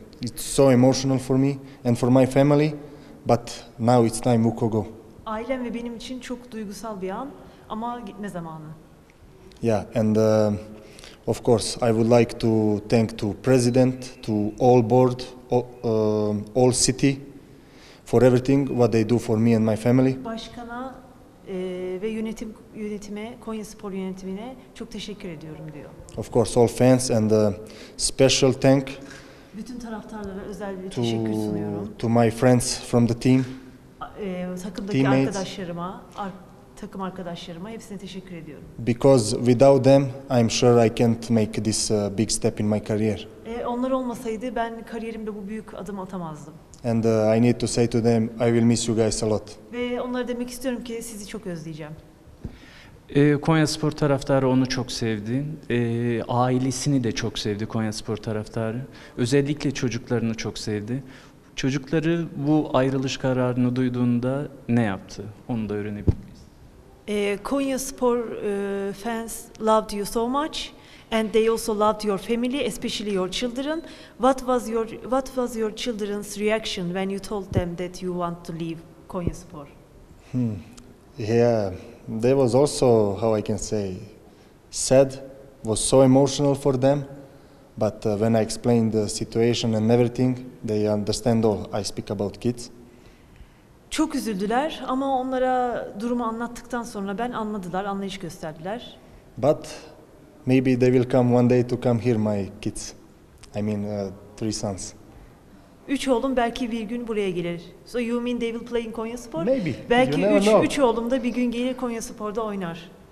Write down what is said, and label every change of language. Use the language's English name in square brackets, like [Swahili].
[English] It's so emotional for me and for my family, but now it's time Vuko go. [Turkish] Ailem ve benim için çok duygusal bir an ama gitme zamanı. [English] Yeah, and of course I would like to thank to president, to all board, all city for everything what they do for me and my family. [Turkish] Başkana ve yönetime, Konyaspor yönetimine çok teşekkür ediyorum diyor. [English] Of course all fans and special thank. [Turkish] Bütün taraftarlara özel bir teşekkür sunuyorum. [English] To my friends from the team. [Turkish] Takımdaki teammates, arkadaşlarıma, takım arkadaşlarıma hepsine teşekkür ediyorum. [English] Because without them I'm sure I can't make this big step in my career. [Turkish] Onlar olmasaydı ben kariyerimde bu büyük adım atamazdım. [English] And I need to say to them I will miss you guys a lot. [Turkish] Ve onlara demek istiyorum ki sizi çok özleyeceğim. Konyaspor taraftarı onu çok sevdi. Ailesini de çok sevdi Konyaspor taraftarı. Özellikle çocuklarını çok sevdi. Çocukları bu ayrılış kararını duyduğunda ne yaptı? Onu da öğrenebiliriz. [English] Konyaspor fans loved you so much and they also loved your family, especially your children. What was your children's reaction when you told them that you want to leave Konyaspor? Yeah, they was also how I can say sad, was so emotional for them. But when I explained the situation and everything, they understand all. I speak about kids. [Turkish] Çok üzüldüler ama onlara durumu anlattıktan sonra ben anladılar, anlayış gösterdiler. [English] But maybe they will come one day to come here, my kids. I mean, three sons. [Turkish] Üç oğlum belki bir gün buraya gelir. [English] So you mean they will play in Konyaspor? Maybe. [Turkish] Belki üç oğlum da bir gün gelir Konyaspor'da oynar.